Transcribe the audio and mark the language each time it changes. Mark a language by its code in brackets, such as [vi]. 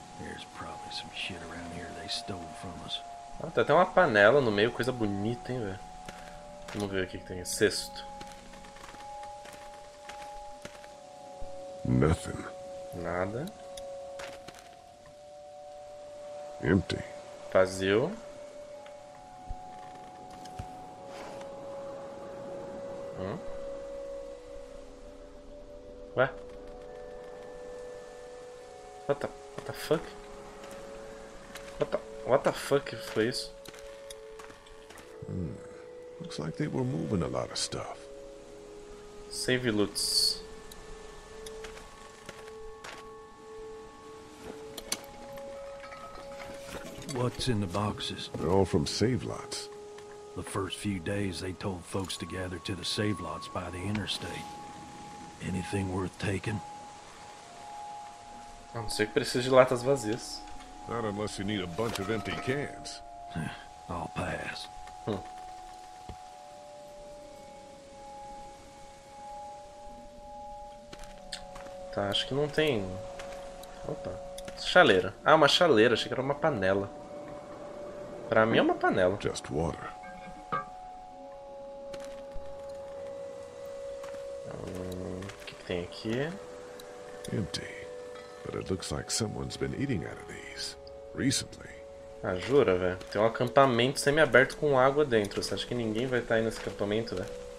[en] There's probably some shit around here they stole from us. [pt] Ah, tá até uma panela no meio, coisa bonita, hein, velho. Vamos ver o que tem. Cesto. [en] Nothing. [pt] Nada. [en] Empty. [pt] Vazio. Ué? [en] What the fuck? What the fuck [pt] foi isso? [en] Looks like they were moving a lot of stuff. Save loots. What's in the boxes? They're all from save lots. The first few days they told folks to gather to the save lots by the interstate. Anything worth taking? [pt] A não ser que precise de latas vazias. [en] Not unless you need a bunch of empty cans. I'll pass. [pt] Tá, acho que não tem. Opa. Chaleira. Ah, uma chaleira, achei que era uma panela. Pra mim é uma panela. [en] Just water. [pt] Que tem aqui? [en] Empty. But it looks like someone's been eating out of these recently. [pt] Ah, jura, velho. Tem um acampamento semi-aberto com água dentro. Você acha que ninguém vai estar aí nesse acampamento, velho?